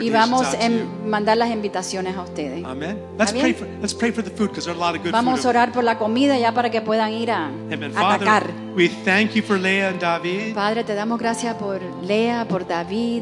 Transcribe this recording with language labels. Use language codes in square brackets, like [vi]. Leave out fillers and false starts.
[es] y vamos a mandar las invitaciones a ustedes. Amen. [en] Let's pray for the food because there are a lot of good [es] vamos [en] food. [es] Vamos a orar por la comida ya para que puedan ir a atacar. [en] We thank you for Leah and David. [es] Padre, te damos gracias por Leah, por David,